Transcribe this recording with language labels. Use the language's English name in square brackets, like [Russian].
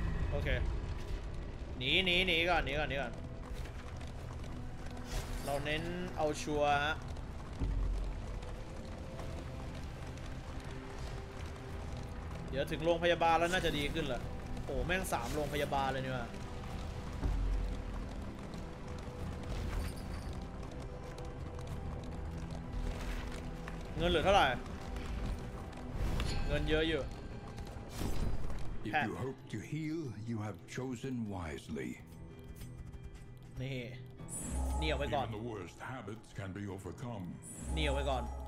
[Thai] โอเคหนีก่อนหนีก่อนเราเน้นเอาชัวร์เดี๋ยวถึงโรงพยาบาลแล้วน่าจะดีขึ้นแหละโอ้แม่ง3โรงพยาบาลเลยเนี่ยเงินเหลือเท่าไหร่เงินเยอะอยู่ [English] If you hope to heal you have chosen wisely [Thai] นี่เหนียวไปก่อน [English] The worst habits can be overcome [Thai] เหนียวไปก่อน